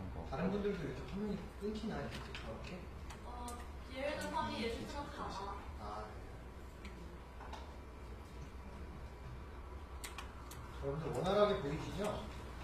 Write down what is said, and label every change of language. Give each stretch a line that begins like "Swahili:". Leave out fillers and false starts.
Korean: 다른 분들도 이렇게 화면이 끊기나 이렇게 저렇게 어
Chinese: 别人的画面也是这么卡吗
Korean: 여러분들 원활하게 보이시죠?